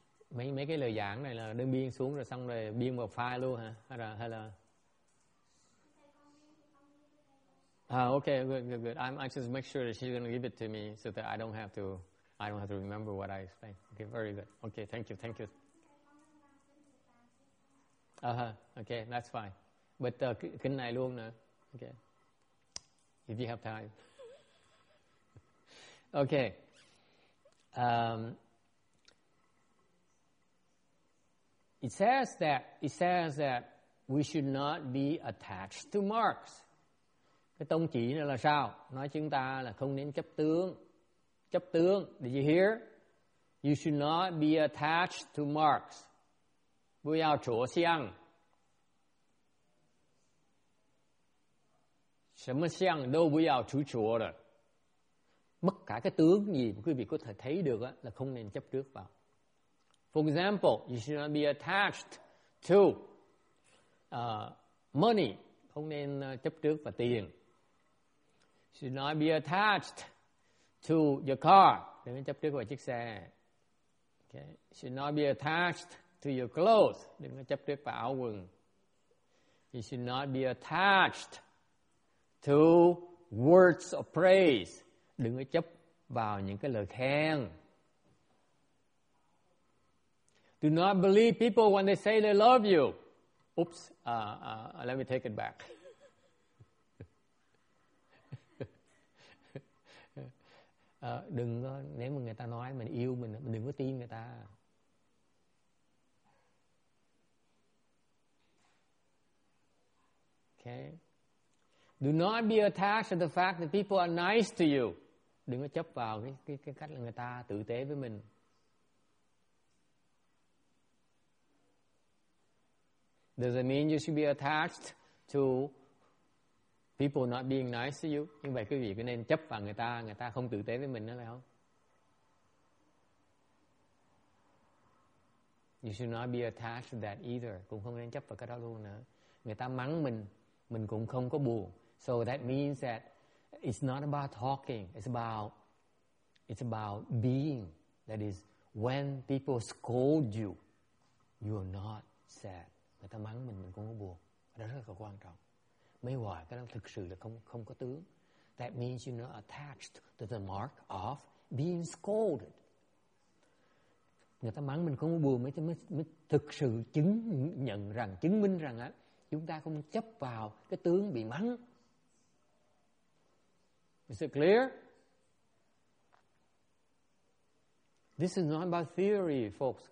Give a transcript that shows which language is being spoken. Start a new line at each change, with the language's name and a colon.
Vietnamese: Mấy cái lời giảng này là đơn biên xuống rồi xong rồi biên vào file luôn hả? Hay là?
English: Okay, good. I just make sure that she's going to give it to me so that I don't have to remember what I explained. Okay, very good. Okay, thank you. Okay, that's fine. But
Vietnamese: kinh này luôn nữa.
English: Okay. If you have time. Okay. It says that we should not be attached to marks.
Vietnamese: Cái tông chỉ này là sao? Nói chúng ta là không nên chấp tướng.
English: Did you hear? You should not be attached to marks.
Chinese: 不要着相. 什么相都不要执着的.
Vietnamese: Bất cả cái tướng gì quý vị có thể thấy được là không nên chấp trước vào.
English: For example, you should not be attached to money.
Vietnamese: Không nên chấp trước vào tiền.
English: Should not be attached to your car.
Vietnamese: Đừng chấp trước vào chiếc xe.
English: Okay. Should not be attached to your clothes.
Vietnamese: Đừng chấp trước vào áo quần.
English: You should not be attached to words of praise.
Vietnamese: Đừng chấp vào những cái lời khen.
English: Do not believe people when they say they love you. Oops, let me take it back.
Vietnamese: Đừng nếu mà người ta nói mình yêu mình đừng có tin người ta.
English: Okay. Do not be attached to the fact that people are nice to you.
Vietnamese: Đừng có chấp vào cái cách là người ta tử tế với mình.
English: Does it mean you should be attached to people not being nice to you?
Vietnamese: Nhưng vậy quý vị có nên chấp vào người ta không tử tế với mình nữa phải không?
English: You should not be attached to that either.
Vietnamese: Cũng không nên chấp vào cái đó luôn nữa. Người ta mắng mình cũng không có buồn.
English: So that means that it's not about talking. It's about being. That is, when people scold you, you are not sad.
Vietnamese: Người ta mắng mình cũng có buồn. Đó rất là quan trọng. Mấy hoài cái đó thực sự là không có tướng.
English: That means you're not attached to the mark of being scolded.
Vietnamese: Người ta mắng mình không có buồn mới thực sự chứng nhận rằng, chứng minh rằng á, chúng ta không chấp vào cái tướng bị mắng.
English: Is it clear? This is not about theory, folks.